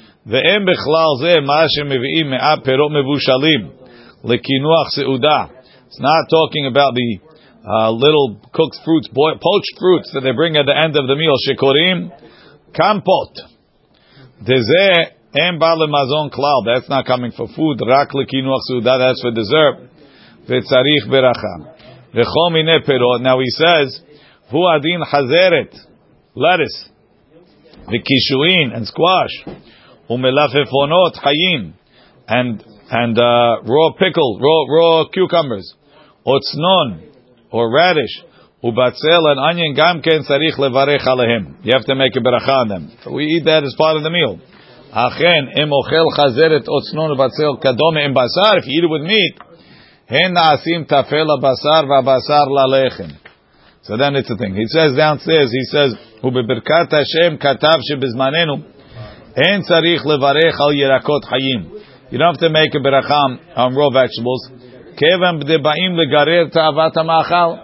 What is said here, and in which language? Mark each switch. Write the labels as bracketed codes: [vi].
[he] ואין בכלל זה מה שמביאים מאה פירות מבושלים לכינוח סעודה. [en] It's not talking about the little cooked fruits, poached fruits that they bring at the end of the meal, [he] שקוראים קמפות. דזה אין בא למזון כלל. [en] That's not coming for food, [he] רק לכינוח סעודה, [en] that's for dessert. [he] וצריך ברכה. וכל מיני פירות. [en] Now he says, [he] הוא עדין חזרת, lettuce, וכישואין, [en] and squash. [he] ומלפפונות חיים, [en] and raw pickle, raw cucumbers, [he] עוצנון, [en] or radish, [he] ובצל, [en] and onion, [he] גם כן צריך לברך עליהם. [en] You have to make a ברכה on them. We eat that as part of the meal. [he] אכן, אם אוכל חזרת, עוצנון, ובצל, כדומה, עם בשר, [en] if you eat it with meat, [he] הן נעשים תפל הבשר והבשר ללחם. [en] So then it's the thing. He says downstairs, he says, [he] ובברכת השם כתב שבזמננו, אין צריך לברך על ירקות חיים. [en] You don't have to make a ברכם on raw vegetables. [he] כיוון דבאים לגרר תאוות המאכל.